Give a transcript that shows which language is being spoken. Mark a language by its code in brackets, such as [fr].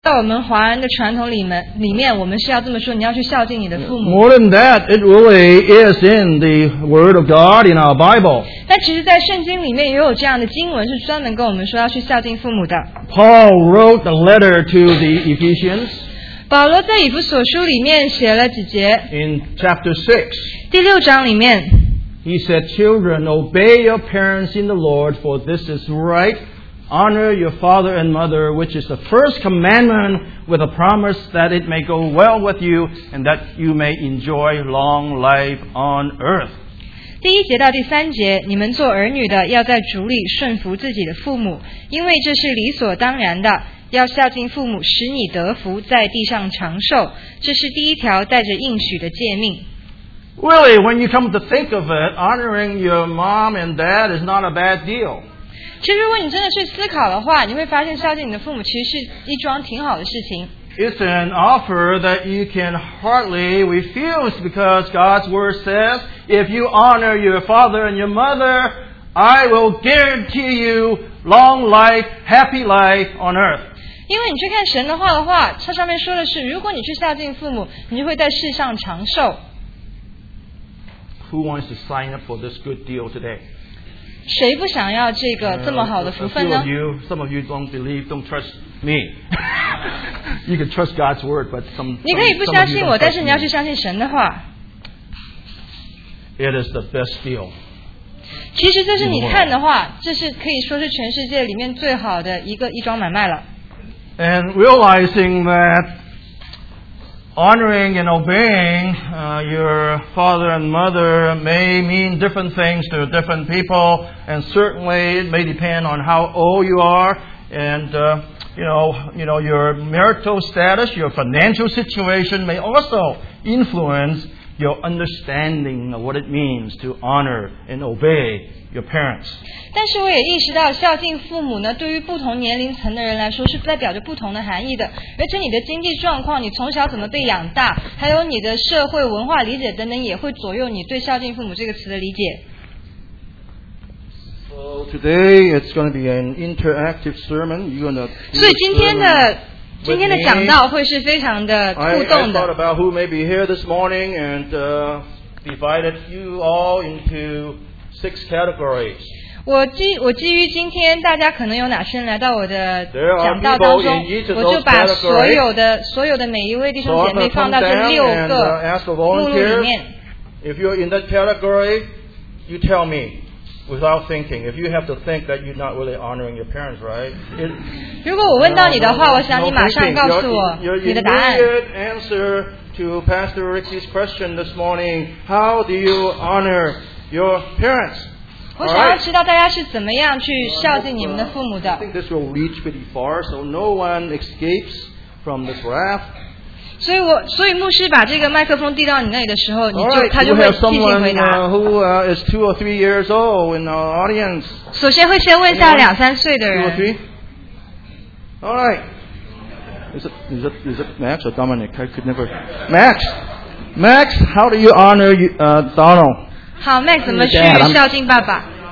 [zh] 在我们华人的传统里面，我们是要这么说，你要去孝敬你的父母。 [en] More than that, it really is in the Word of God in our Bible. [zh] 但其实在圣经里面也有这样的经文，是专门跟我们说要去孝敬父母的。 [en] Paul wrote a letter to the Ephesians. [zh] 保罗在以弗所书里面写了几节。 [en] In chapter 6. [zh] 第六章里面。 [en] He said, Children, obey your parents in the Lord, for this is right. Honor your father and mother, which is the first commandment, with a promise that it may go well with you and that you may enjoy long life on earth. [zh] 第一节到第三节，你们做儿女的要在主里顺服自己的父母，因为这是理所当然的。要孝敬父母，使你得福，在地上长寿。这是第一条带着应许的诫命。 [en] Really, when you come to think of it, honoring your mom and dad is not a bad deal. [zh] 其实如果你真的去思考的话，你会发现孝敬你的父母其实是一桩挺好的事情。 [en] It's an offer that you can hardly refuse because God's word says, if you honor your father and your mother, I will guarantee you long life, happy life on earth. [zh] 因为你去看神的话的话，它上面说的是，如果你去孝敬父母，你就会在世上长寿。 [en] Who wants to sign up for this good deal today? [zh] 谁不想要这个这么好的福分呢？ [en] Some of you don't believe, don't trust me. You can trust God's word, but some. [zh] 你可以不相信我，但是你要去相信神的话。 [en] It is the best deal. [zh] 其实这是你看的话，这是可以说是全世界里面最好的一桩买卖了。 [en] And realizing that honoring and obeying your father and mother may mean different things to different people, and certainly it may depend on how old you are and your marital status, your financial situation may also influence your understanding of what it means to honor and obey your parents. [zh] 但是我也意识到孝敬父母呢，对于不同年龄层的人来说是代表着不同的含义的，而且你的经济状况，你从小怎么被养大，还有你的社会文化理解等等，也会左右你对孝敬父母这个词的理解。 [en] So today it's going to be an interactive sermon. You're going to hear a sermon. [zh] 所以今天的讲道会是非常的互动的。 [en] I thought about who may be here this morning and divided you all into six categories. [zh] 我基于今天大家可能有哪些人来到我的讲道当中，我就把所有的每一位弟兄姐妹放到这六个目录里面。 [en] If you're in that category, you tell me. Without thinking, if you have to think that you're not really honoring your parents, right? It, [zh] 如果我问到你的话，我想你马上告诉我你的答案。 [en] Your immediate answer to Pastor Ricky's question this morning: How do you honor your parents? [zh] 我想要知道大家是怎么样去孝敬你们的父母的。 [en] I think this will reach pretty far, so no one escapes from this wrath. [zh] 所以牧师把这个麦克风递到你那里的时候，你就他就会即兴回答。 [en] Who is two or three years old in the audience? [zh] 首先会先问一下两三岁的人。 [en] Two or three. All right. Is it Max or Dominic? I could never. Max, how do you honor Donald? [zh] 好 ，Max 怎么去孝敬爸爸？